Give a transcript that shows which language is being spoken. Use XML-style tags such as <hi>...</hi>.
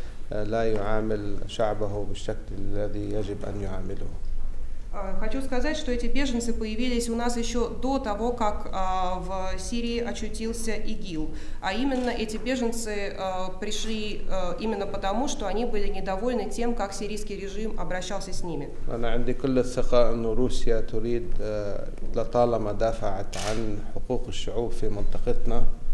<ar>لا يعامل شعبه بالشكل الذي يجب أن يعامله.</ar> <ru>Хочу сказать, что эти беженцы появились у нас еще до того, как в Сирии очутился ИГИЛ. А именно эти беженцы пришли именно потому, что они были недовольны тем, как сирийский режим обращался с ними.</ru> <ar>أنا عندي كل الثقة أن روسيا تريد لطالما دافعت عن حقوق الشعوب في منطقتنا.</ar>